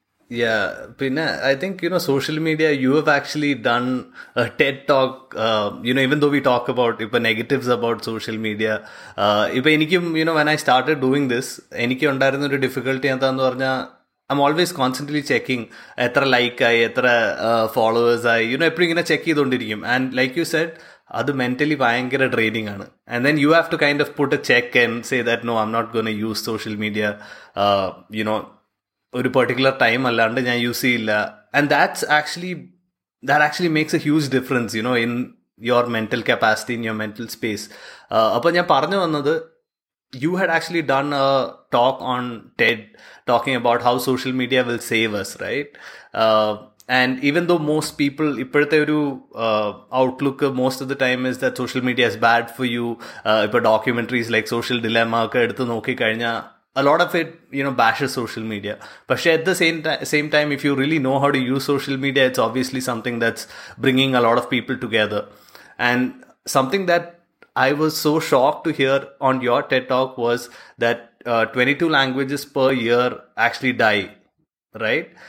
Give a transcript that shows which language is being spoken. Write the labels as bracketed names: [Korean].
[English] Yeah, Pina, I think, you know, social media, you have actually done a TED talk, you know, even though we talk about if negatives about social media, when I started doing this, [Malayalam] enikku undirunna difficulty enta nu parna, [English] I'm always constantly checking [Malayalam] etra like ay, etra followers ay, [English] you know, [Malayalam] eppadi ingane check cheyidondirikkum. [English] And like you said, adu mentally [Malayalam] bayangara draining aanu. [English] And then you have to kind of put a check and say that no, I'm not going to use social media, you know, [Malayalam] ഒരു particular time അല്ലാണ്ട് ഞാൻ use ചെയ്യില്ല. [English] And that actually makes a huge difference, you know, in your mental capacity, in your mental space. [Malayalam] അപ്പോൾ ഞാൻ പറഞ്ഞു വന്നത്, [English] You had actually done a talk on TED talking about how social media will save us, right? And even though most people [Malayalam] ഇപ്പോഴത്തെ ഒരു [English] Outlook most of the time is that social media is bad for you. [Malayalam] ഇപ്പോൾ documentaries like social ഡിലെമ ഒക്കെ എടുത്ത് നോക്കിക്കഴിഞ്ഞാൽ [English] a lot of it, you know, bashes social media. But at the same time, if you really know how to use social media, it's obviously something that's bringing a lot of people together. And something that I was so shocked to hear on your TED talk was that 22 languages per year actually die, right?